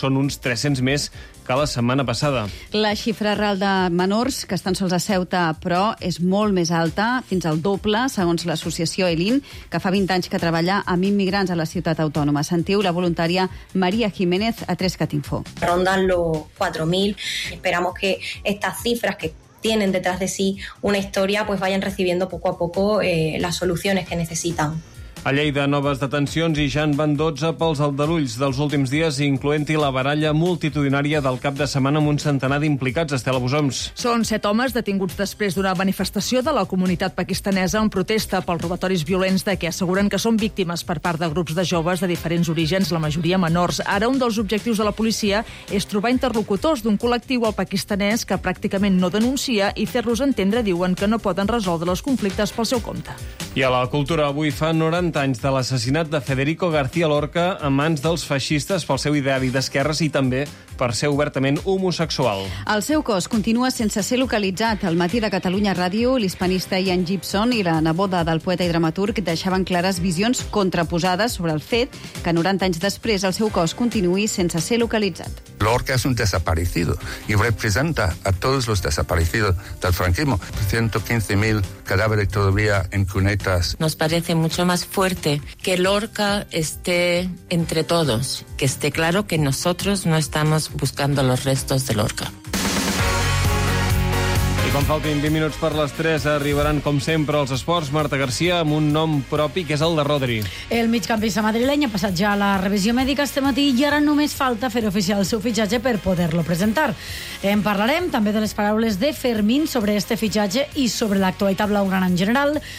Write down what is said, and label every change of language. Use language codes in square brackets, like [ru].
[ca] Són uns 300 més que la setmana passada. La xifra real de menors que estan sols a Ceuta, però, és molt més alta, fins al doble, segons l'associació ELIN, que fa 20 anys que treballa amb immigrants a la ciutat autònoma. Sentiu la voluntària Maria Jiménez a 3Cat Info. [es] Rondan los 4.000. Esperamos que estas cifras que tienen detrás de sí una historia, pues vayan recibiendo poco a poco las soluciones que necesitan. [ca] A Lleida, noves detencions i ja en van 12 pels aldarulls dels últims dies, incloent-hi la baralla multitudinària del cap de setmana amb un centenar d'implicats, Estela Bosoms. Són 7 homes detinguts després d'una manifestació de la comunitat pakistanesa en protesta pels robatoris violents de què asseguren que són víctimes per part de grups de joves de diferents orígens, la majoria menors. Ara, un dels objectius de la policia és trobar interlocutors d'un col·lectiu al pakistanès que pràcticament no denuncia i fer-los entendre, diuen, que no poden resoldre els conflictes pel seu compte. I a la cultura, avui fa 90 anys de l'assassinat de Federico García Lorca a mans dels feixistes pel seu ideari d'esquerres i també per ser obertament homosexual. El seu cos continua sense ser localitzat. Al matí de Catalunya Ràdio, l'hispanista Ian Gibson i la neboda del poeta i dramaturg deixaven clares visions contraposades sobre el fet que 90 anys després el seu cos continuï sense ser localitzat. [es] Lorca és un desaparecido i representa a tots els desaparecidos del franquismo. 115.000 cadàveres todavía en cunetas. Nos parece mucho más fuerte que Lorca esté entre todos, que esté claro que nosotros no estamos buscando los restos de Lorca. [ca] I quan faltin 20 minuts per les 3, arribaran, com sempre, els esports. Marta García, amb un nom propi, que és el de Rodri. El migcampista madrileny ha passat ja la revisió mèdica este matí i ara només falta fer oficial el seu fitxatge per poder-lo presentar. En parlarem també de les paraules de Fermín sobre este fitxatge i sobre l'actualitat blaugrana en general.